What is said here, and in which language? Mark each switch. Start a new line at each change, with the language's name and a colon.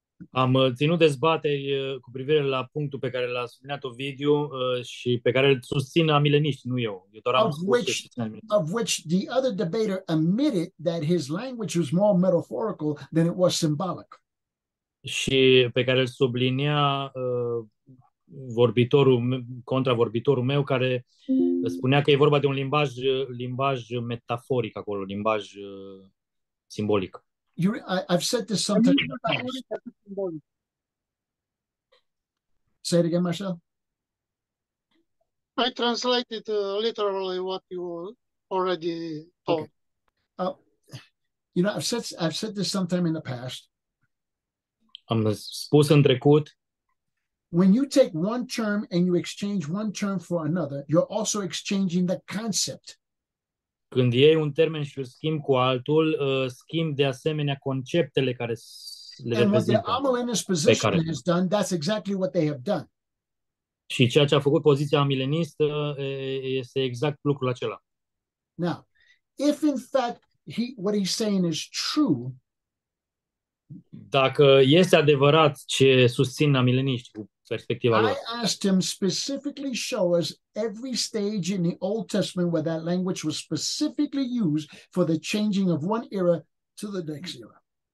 Romanian: Am ținut dezbateri cu privire la punctul pe care l-a subliniat Ovidiu și pe care îl susțin amileniști, nu eu. Eu doar am spus
English: of which the other debater admitted that his language was more metaphorical than it was symbolic.
Romanian: Și pe care îl sublinia vorbitorul contravorbitorul meu care spunea că e vorba de un limbaj metaforic acolo, limbaj simbolic.
English: I've said this sometimes in the past. Say it again, Marcel. I translated literally what you already told. Okay. You know, I've said this sometime in the past.
Romanian: Am spus în trecut.
English: When you take one term and you exchange one term for another, you're also exchanging the concept.
Romanian: Când iei un termen și îl schimb cu altul, schimb de asemenea conceptele care le reprezintă. Și ceea ce a făcut poziția amilenistă este exact lucrul acela.
English: Now, if in fact what he's saying is true,
Romanian: dacă este adevărat ce susțin amileniști cu perspectiva lor,
English: I asked him specifically show us every stage in the Old Testament where that language was specifically used for the changing of one era to the next era.